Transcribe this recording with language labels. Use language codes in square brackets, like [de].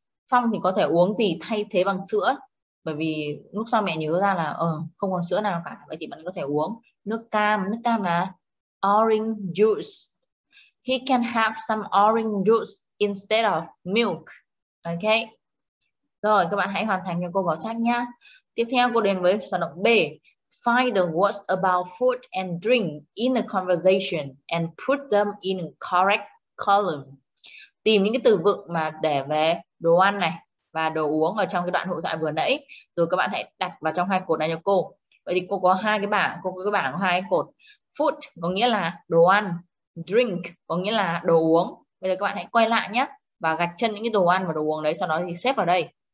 [vi] Phong thì có thể uống gì thay thế bằng sữa? Bởi vì lúc sau mẹ nhớ ra là không còn sữa nào cả. Vậy thì bạn có thể uống nước cam. Nước cam là orange juice. [en] He can have some orange juice instead of milk. Okay. [vi] Rồi các bạn hãy hoàn thành cho cô vào sách nhá. Tiếp theo cô đến với phần B. [en] Find the words about food and drink in the conversation and put them in correct column. [vi] Tìm những cái từ vựng mà để về đồ ăn này và đồ uống ở trong cái đoạn hội thoại vừa nãy, rồi các bạn hãy đặt vào trong hai cột này cho cô. Vậy thì cô có hai cái bảng, cô có cái bảng hai cái cột. Food có nghĩa là đồ ăn, drink có nghĩa là đồ uống. Bây giờ các bạn hãy quay lại nhé và gạch chân những cái đồ ăn và đồ uống đấy, sau đó thì xếp vào đây.